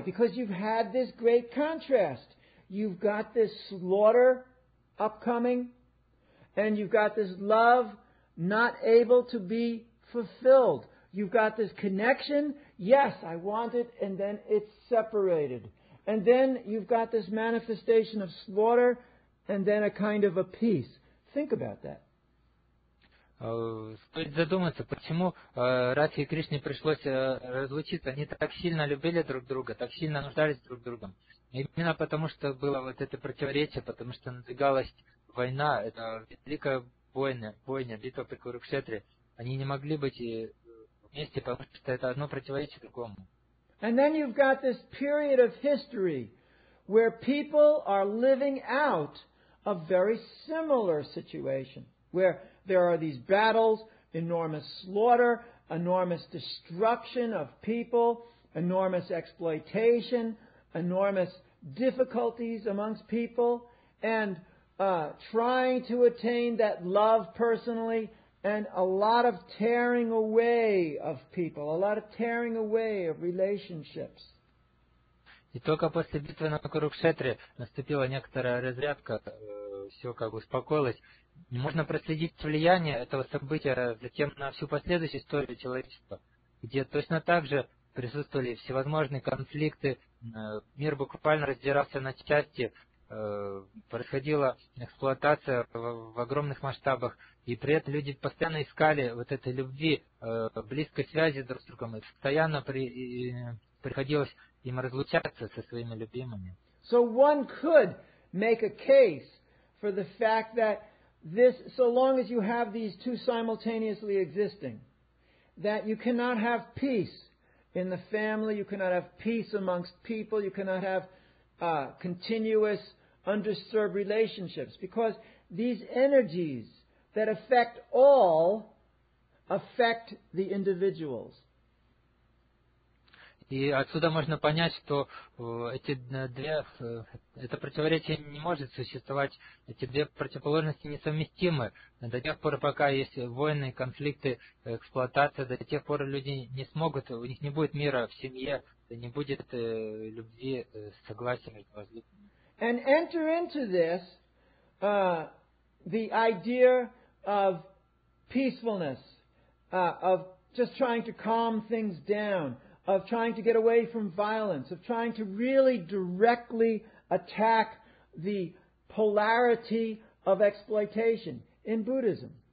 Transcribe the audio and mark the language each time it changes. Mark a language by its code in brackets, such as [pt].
[en] Because you've had this great contrast. You've got this slaughter upcoming, and you've got this love not able to be fulfilled. You've got this connection, yes, I want it, and then it's separated. And then you've got this manifestation of slaughter, and then a kind of a peace. Think about that. [ru] Стоит задуматься, почему Радхе и Кришне пришлось разлучиться. Они так сильно любили друг друга, так сильно нуждались друг в друге. Именно потому, что было вот это противоречие, потому что надвигалась война, это великая бойня, битва при Курукшетре. Они не могли быть вместе, потому что это одно противоречие другому. [en] And then you've got this period of history where people are living out a very similar situation where there are these battles, enormous slaughter, enormous destruction of people, enormous exploitation, enormous difficulties amongst people, and trying to attain that love personally, and a lot of tearing away of people, a lot of tearing away of relationships. [ru] И только после битвы на Курукшетре наступила некоторая разрядка, все как бы успокоилось. Можно проследить влияние этого события затем на всю последующую историю человечества, где точно так же присутствовали всевозможные конфликты, мир буквально раздирался на части, происходила эксплуатация в огромных масштабах, и при этом люди постоянно искали вот этой любви, близкой связи друг с другом, и постоянно приходилось им разлучаться со своими любимыми. [en] So one could make a case for the fact that this, so long as you have these two simultaneously existing, that you cannot have peace in the family, you cannot have peace amongst people, you cannot have continuous undisturbed relationships, because these energies that affect all affect the individuals. [ru] И отсюда можно понять, что эти две, это противоречие не может существовать, эти две противоположности несовместимы. До тех пор, пока есть войны, конфликты, эксплуатация, до тех пор люди не смогут, у них не будет мира в семье, не будет любви, согласия между возлюбленными. [en] And enter into this the idea of peacefulness, of just trying to calm things down, of trying to get away from violence, of trying to really directly attack the polarity of exploitation in Buddhism.